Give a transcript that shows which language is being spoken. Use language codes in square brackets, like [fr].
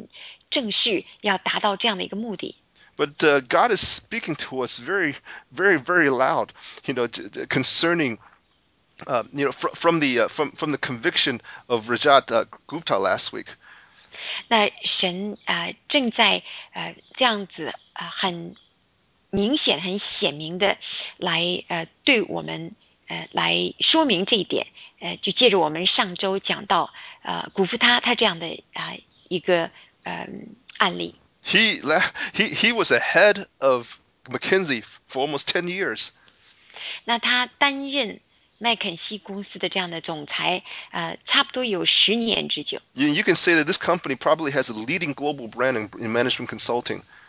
[zh] 这样的一个神国基因，但是他们没有叫这样的一个名字，因为他们不，但是他们这是虽然没有这样叫这个名字，但是他们正是要达到这样的一个目的。 [en] But God is speaking to us very, very, very loud, you know, concerning, from the conviction of Rajat Gupta last week. [zh] 那神正在这样子很。明显很显明的来对我们来说明这一点，就借着我们上周讲到古夫他这样的一个案例。 [en] He was ahead of McKinsey for almost 10 years. [zh] 那他担任麦肯锡公司的这样的总裁，差不多有10年之久。 [en] You can say that this company probably has a leading global brand in management consulting.